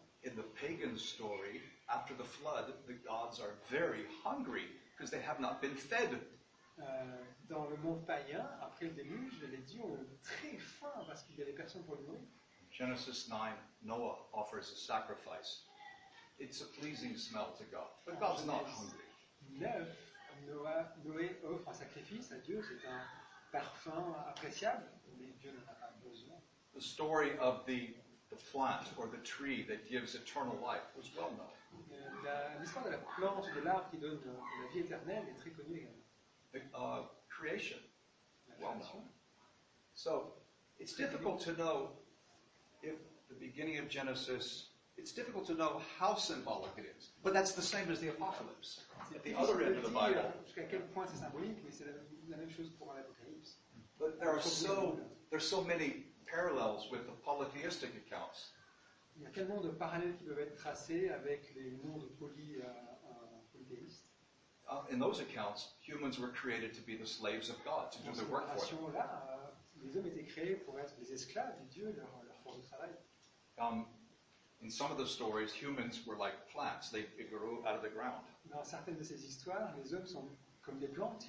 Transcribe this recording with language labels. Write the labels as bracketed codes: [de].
[en] In the pagan story, after the flood, the gods are very hungry because they have not been fed. [fr] Dans le monde païen, après le déluge, les dieux ont très faim parce qu'il n'y avait personne pour le nourrir. [en] Genesis 9, Noah offers a sacrifice. It's a pleasing smell to God. But God's not hungry. [fr] 9, Noé offre un sacrifice à Dieu. C'est un parfum appréciable, mais Dieu n'en a pas besoin. [en] The story of the plant or the tree that gives eternal life was well known. [fr] L'histoire de la plante ou de l'arbre qui donne de la vie éternelle est très connue également. [en] Creation. Well known. So it's difficult to know if the beginning of Genesis, it's difficult to know how symbolic it is. But that's the same as the apocalypse. The other end of the Bible. [fr] Jusqu'à quel point c'est symbolique, mais c'est la même chose pour l'Apocalypse. [en] But there are so many parallels with the polytheistic accounts. [fr] Il y a tellement de parallèles qui peuvent être tracés avec les noms de polythéistes. [en] In those accounts, humans were created to be the slaves of God, to do their work for him. [fr] Les hommes étaient créés pour être les esclaves de Dieu, leur force de travail. [en] In some of the stories, humans were like plants. They grew out of the ground. [fr] Dans certaines de ces histoires, les hommes sont comme des plantes.